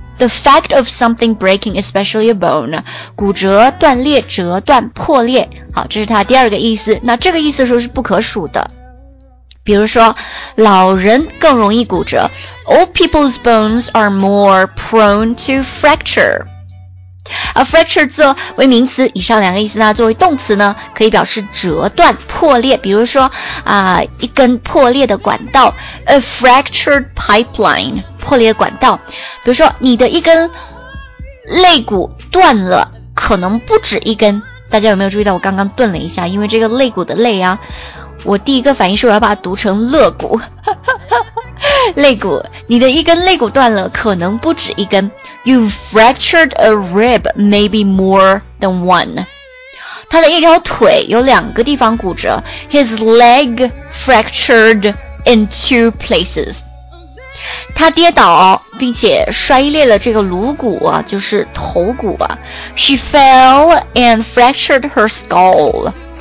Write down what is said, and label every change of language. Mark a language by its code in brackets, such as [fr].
[en] The fact of something breaking, especially a bone. [zh] 骨折、断裂、折断、破裂。好，这是它第二个意思。那这个意思说是不可数的。比如说老人更容易骨折， [en] Old people's bones are more prone to fracture. [zh] A fracture 作为名词，以上两个意思呢，作为动词呢可以表示折断破裂，比如说啊、一根破裂的管道， [en] A fractured pipeline， [zh] 破裂管道。比如说你的一根肋骨断了，可能不止一根。大家有没有注意到我刚刚顿了一下，因为这个肋骨的肋啊，我第一个反应是我要把它读成肋骨，肋骨，你的一根肋骨断了，可能不止一根。 [en] You fractured a rib, maybe more than one. [zh] 他的一条腿有两个地方骨折。 [en] His leg fractured in two places. [zh] 他跌倒并且摔裂了这个颅骨啊，就是头骨啊。 [en] She fell and fractured her skull.